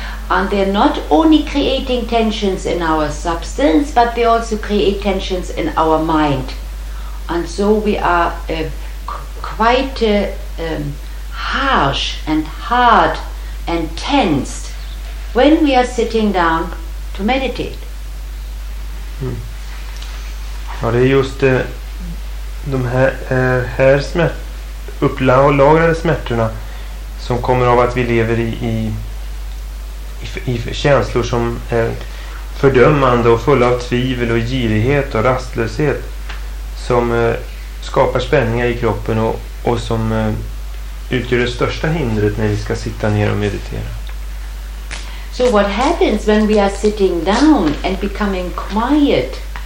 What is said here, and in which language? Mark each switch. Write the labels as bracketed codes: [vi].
[en] And they're not only creating tensions in our substance, but they also create tensions in our mind. And so we are quite harsh and hard and tensed when we are sitting down to meditate. [sv] Ja, det är just de här upplagrade smärtorna som kommer av att vi lever i känslor som är fördömande och fulla av tvivel och girighet och rastlöshet som skapar spänningar i kroppen och som utgör det största hindret när vi ska sitta ner och meditera. [en] So what happens when we are sitting down and becoming quiet?